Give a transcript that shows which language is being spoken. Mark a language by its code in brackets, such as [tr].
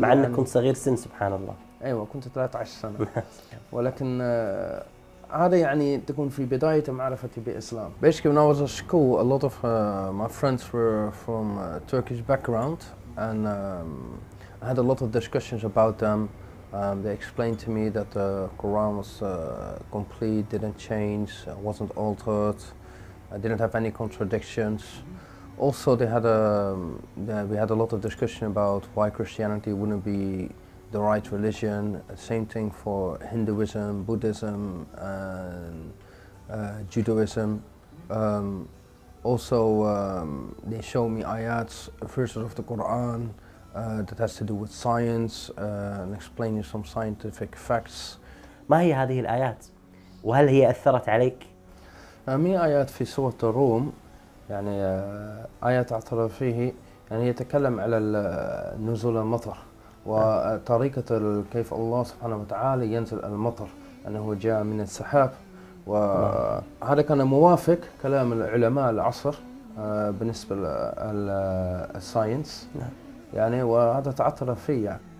[ar] مع أنك كنت صغير سن، سبحان الله. أيوة كنت 13 سنة ولكن هذا يعني تكون في بداية معرفتي بالإسلام. [en] Basically when I was at school a lot of my friends were from Turkish background and I had a lot of discussions about them. They explained to me that the Quran was complete, didn't change, wasn't altered, didn't have any contradictions. Also, we had a lot of discussion about why Christianity wouldn't be the right religion. Same thing for Hinduism, Buddhism, and Judaism. also they show me ayats, verses of the Quran that has to do with science and explaining some scientific facts. [ar] ما هي هذه الآيات؟ وهل هي أثرت عليك؟ مي آيات في سورة الروم يعني آيات أثر فيه يعني يتكلم على نزول المطر وطريقة كيف الله سبحانه وتعالى ينزل المطر أنه جاء من السحاب وهذا كان موافق كلام العلماء العصر بالنسبة للساينس يعني وهذا تعثر فيه يعني.